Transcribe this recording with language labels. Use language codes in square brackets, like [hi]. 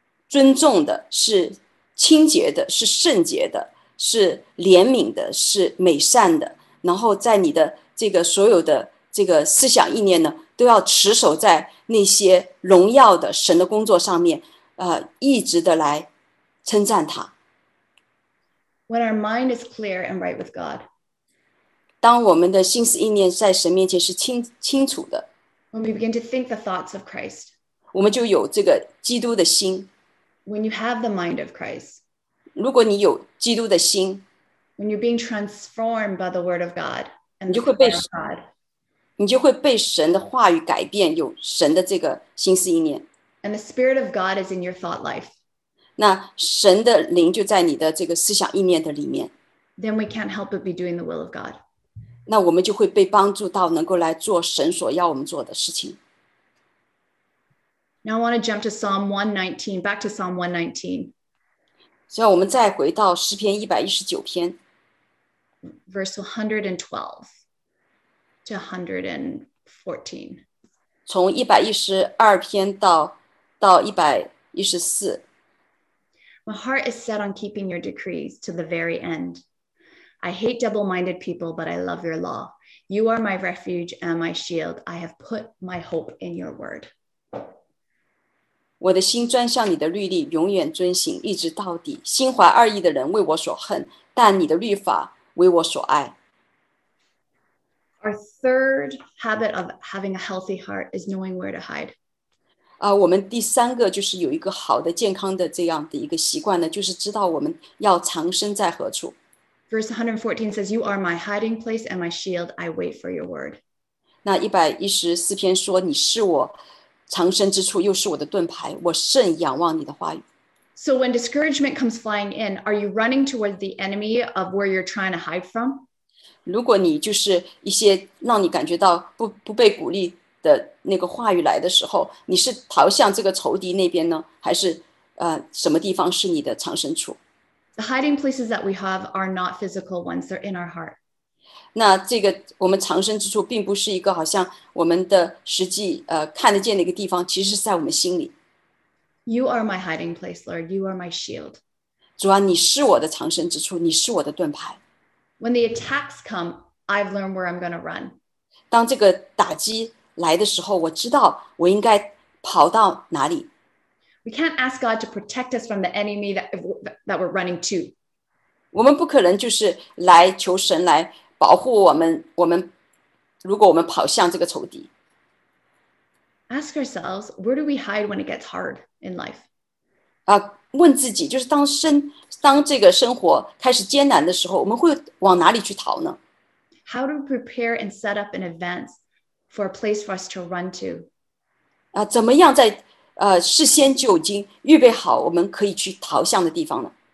[zh] 尊重的，是清洁的，是圣洁的，是怜悯的，是美善的，然后在你的这个所有的这个思想意念呢，都要持守在那些荣耀的神的工作上面，一直的来称赞他。 [en] When our mind is clear and right with God, [zh] 当我们的心思意念在神面前是清楚的， [en] When we begin to think the thoughts of Christ, [zh] 我们就有这个基督的心。 [en] When you have the mind of Christ, [zh] 如果你有基督的心， [en] When you're being transformed by the word of God, and [zh] 你就会被你就会被神的话语改变，有神的这个心思意念。 [en] And the spirit of God is in your thought life. [zh] 那神的灵就在你的这个思想意念的里面。 [en] Then we can't help but be doing the will of God. [zh] 那我们就会被帮助到能够来做神所要我们做的事情。 [en] Now I want to jump to Psalm 119, back to Psalm 119. [zh] 所以我们再回到诗篇119篇。 [en] Verse 112 to 114. [zh] 从112篇到114。 [en] My heart is set on keeping your decrees to the very end. I hate double-minded people, but I love your law. You are my refuge and my shield. I have put my hope in your word. [zh] 我的心专向你的律例，永远遵行，一直到底。心怀二意的人为我所恨，但你的律法为我所爱。 [en] Our third habit of having a healthy heart is knowing where to hide. [zh] 我们第三个就是有一个好的健康的这样的一个习惯呢，就是知道我们要藏身在何处。 [en] Verse 114 says, You are my hiding place and my shield. I wait for your word. [zh] 那114篇说，你是我藏身之处，又是我的盾牌，我甚仰望你的话语。 [en] So when discouragement comes flying in, are you running towards the enemy of where you're trying to hide from? [zh] 如果你就是一些让你感觉到 不被鼓励的那个话语来的时候，你是逃向这个仇敌那边呢，还是什么地方是你的藏身处？ [en] The hiding places that we have are not physical ones, they're in our heart. [zh] 那这个我们藏身之处并不是一个好像我们的实际看得见的一个地方，其实是在我们心里。 [en] You are my hiding place, Lord. You are my shield. [zh] 主啊，你是我的藏身之处，你是我的盾牌。 [en] When the attacks come, I've learned where I'm going to run. [zh] 当这个打击来的时候，我知道我应该跑到哪里。 [en] We can't ask God to protect us from the enemy that we're running to. [zh] 我们不可能就是来求神来保护我们，如果我们跑向这个仇敌。 [en] Ask ourselves, where do we hide when it gets hard in life? [zh] 问自己，就是当这个生活开始艰难的时候，我们会往哪里去逃呢？ [en] How do we prepare and set up in advance for a place for us to run to? [zh] 怎么样在事先就已经预备好我们可以去逃向的地方呢？